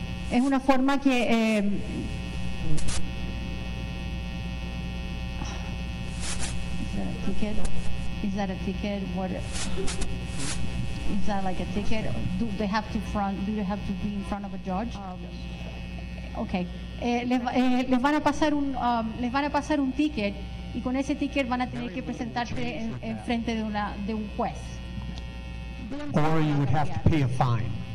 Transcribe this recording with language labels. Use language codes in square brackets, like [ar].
[es] Es una forma que [en] Is that a ticket? What is that, like a ticket? Do they have to be in front of a judge? Okay. [es] Les van a pasar un ticket y con ese ticket van a tener que presentarse en frente de una de un juez. [en] Or you would have to pay a fine.